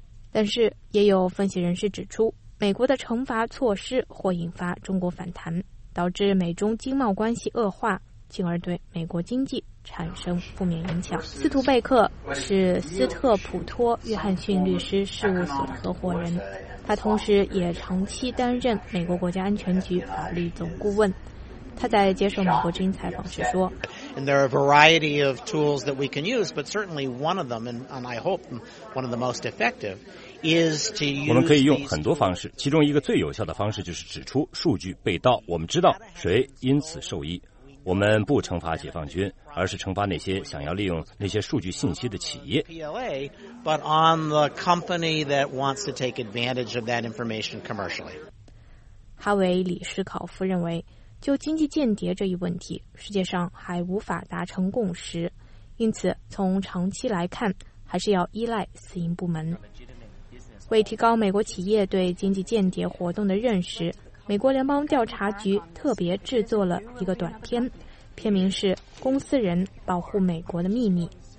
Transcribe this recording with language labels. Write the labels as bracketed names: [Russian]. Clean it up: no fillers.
[Chinese] 但是也有分析人士指出，美国的惩罚措施或引发中国反弹，导致美中经贸关系恶化，进而对美国经济产生负面影响。斯图贝克是斯特普托约翰逊律师事务所的合伙人，他同时也长期担任美国国家安全局法律总顾问。他在接受美国之音采访时说， [English] And there are a variety of tools that we can use, but certainly one of them, and I hope one of the most effective, is to use. [Chinese] 我们可以用很多方式，其中一个最有效的方式就是指出数据被盗，我们知道谁因此受益。我们不惩罚解放军，而是惩罚那些想要利用那些数据信息的企业。 [English] But on the company that wants to take advantage of that information commercially. [Chinese] 哈维·李斯考夫认为，就经济间谍这一问题，世界上还无法达成共识，因此从长期来看，还是要依赖私营部门。为提高美国企业对经济间谍活动的认识，美国联邦调查局特别制作了一个短片，片名是《公司人保护美国的秘密》。